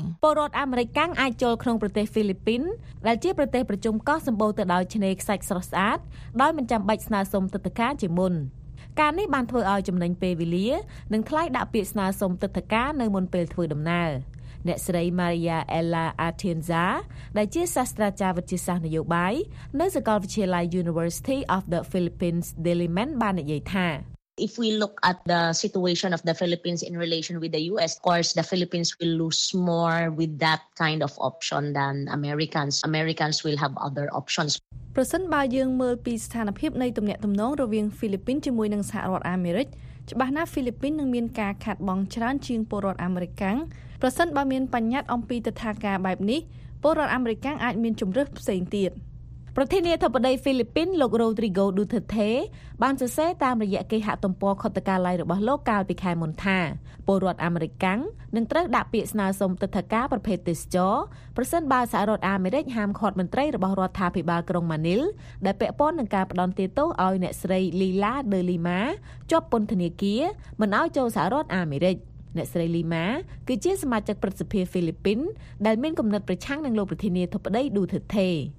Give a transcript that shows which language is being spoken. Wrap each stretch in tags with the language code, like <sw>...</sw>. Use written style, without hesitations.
<km>ពលរដ្ឋអាមេរិកាំងអាចចូលក្នុងប្រទេសហ្វីលីពីនដែលជាប្រទេសប្រជុំកោះសម្បូរទៅដោយឆ្នេរខ្សាច់ស្រស់ស្អាតដោយមិនចាំបាច់ស្នើសុំទិដ្ឋាការជាមុនការនេះបានធ្វើឲ្យចំណេញពេលវេលានិងថ្លៃដាក់ពាក្យស្នើសុំទិដ្ឋាការនៅមុនពេលធ្វើដំណើរអ្នកស្រី Maria Ella Atienza ដែលជាសាស្ត្រាចារ្យវិទ្យាសាស្ត្រនយោបាយនៅសាកលវិទ្យាល័យ University of the Philippines Diliman បាននិយាយថា</km> <en>If we look at the situation of the Philippines in relation with the US, of course the Philippines will lose more with that kind of option than Americans. Americans will have other options.</en> <km>ប្រសិនបើយើងមើលពីស្ថានភាពនៃទំនាក់ទំនងរវាងហ្វីលីពីនជាមួយនឹងសហរដ្ឋអាមេរិកច្បាស់ណាស់ហ្វីលីពីននឹងមានការខាត់បងច្រើនជាងពលរដ្ឋអាមេរិកាំងប្រសិនបើមានបញ្ញត្តិអំពីទឋាការបែបនេះពលរដ្ឋអាមេរិកាំងអាចមានជម្រើសផ្សេងទៀត ប្រធានាធិបតីហ្វីលីពីនលោក Rodrigo Duterte បានសរសេរតាមរយៈគេហទំព័រខុទ្ទកាល័យរបស់លោកកាលពីខែមុនថាពលរដ្ឋអាមេរិកាំងនឹងត្រូវដាក់ពាក្យស្នើសុំទឋាការប្រភេទទេសចរប្រសិនបើសហរដ្ឋអាមេរិកហាមឃាត់មន្ត្រីរបស់រដ្ឋាភិបាលក្រុងម៉ានីលដែលពាក់ព័ន្ធនឹងការផ្តន្ទាទោសឲ្យអ្នកស្រី Lila De Lima ជាប់ពន្ធនាគារមិនឲ្យចូលសហរដ្ឋអាមេរិកអ្នកស្រីលីម៉ាគឺជាសមាជិកព្រឹទ្ធសភាហ្វីលីពីនដែលមានគំនិតប្រឆាំងនឹងលោកប្រធានាធិបតីឌូទឺតេ</km>